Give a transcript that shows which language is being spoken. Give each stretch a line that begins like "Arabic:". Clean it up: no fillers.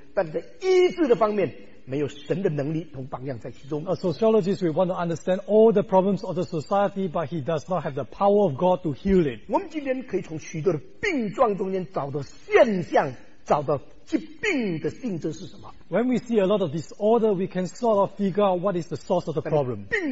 Chinese: 但在医治的方面，没有神的能力同榜样在其中。A
English: sociologist will want to understand all the problems of the society, but he does not have the power of God to heal it.
Chinese: 我们今天可以从许多的病状中间找到现象，找到疾病的性质是什么。When
English: we see a lot of disorder, we can sort of figure out what is the source of the problem.